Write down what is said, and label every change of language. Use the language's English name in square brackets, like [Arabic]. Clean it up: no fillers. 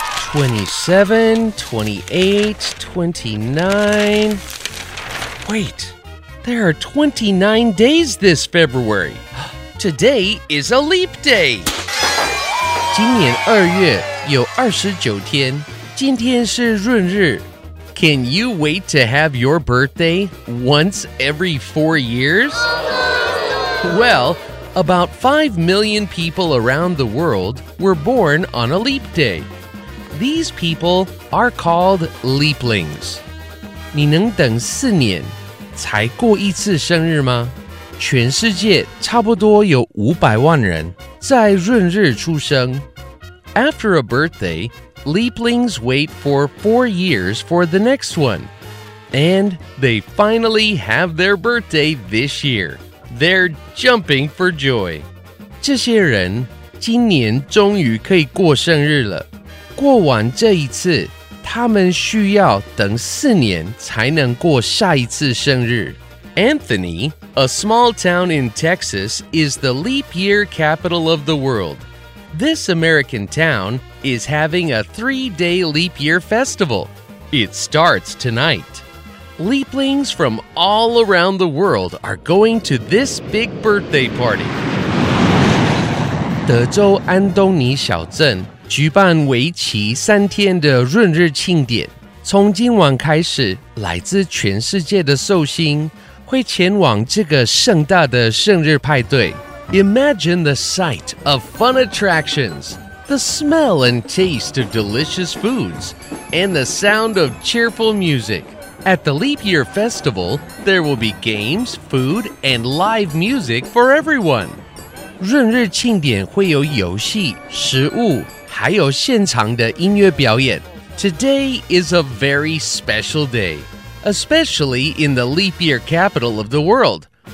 [English] 27, 28, 29... Wait! There are 29 days this February! Today is a leap day! [Chinese] 今年二月有二十九天，今天是闰日。 [English] Can you wait to have your birthday once every 4 years? Well, about 5 million people around the world were born on a leap day. These people are called Leaplings. [Chinese] 你能等四年才过一次生日吗？全世界差不多有500万人在闰日出生。 [English] After a birthday, Leaplings wait for 4 years for the next one. And they finally have their birthday this year. They're jumping for joy. [Chinese] 这些人今年终于可以过生日了。过完这一次，他们需要等四年才能过下一次生日。 [English] Anthony, a small town in Texas, is the leap year capital of the world. This American town is having a 3-day leap year festival. It starts tonight. Leaplings from all around the world are going to this big birthday party. [Chinese] 德州安东尼小镇举办为期三天的闰日庆典。从今晚开始，来自全世界的寿星会前往这个盛大的生日派对。 [English] Imagine the sight of fun attractions, the smell and taste of delicious foods, and the sound of cheerful music. At the Leap Year Festival, there will be games, food, and live music for everyone. [Chinese] 闰日庆典会有游戏、食物，还有现场的音乐表演。 [English] Today is a very special day. Especially in the leap year capital of the world.